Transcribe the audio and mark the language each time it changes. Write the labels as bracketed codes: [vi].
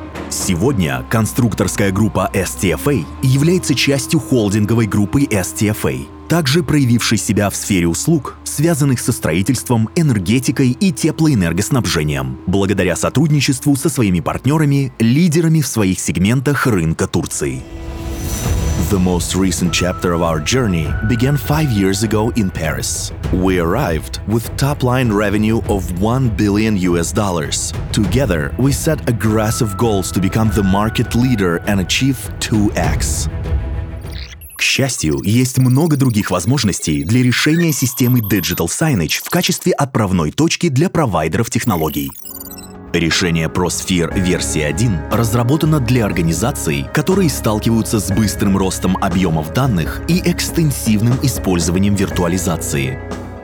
[ru] Сегодня конструкторская группа STFA является частью холдинговой группы STFA, также проявившей себя в сфере услуг, связанных со строительством, энергетикой и теплоэнергоснабжением, благодаря сотрудничеству со своими партнерами, лидерами в своих сегментах рынка Турции. [en] The most recent chapter of our journey began 5 years ago in Paris. We arrived with top-line revenue of $1 billion. Together, we set aggressive goals to become the market leader and achieve 2x. [ru] К счастью, есть много других возможностей для решения системы Digital Signage в качестве отправной точки для провайдеров технологий. Решение ProSphere версия 1 разработано для организаций, которые сталкиваются с быстрым ростом объемов данных и экстенсивным использованием виртуализации.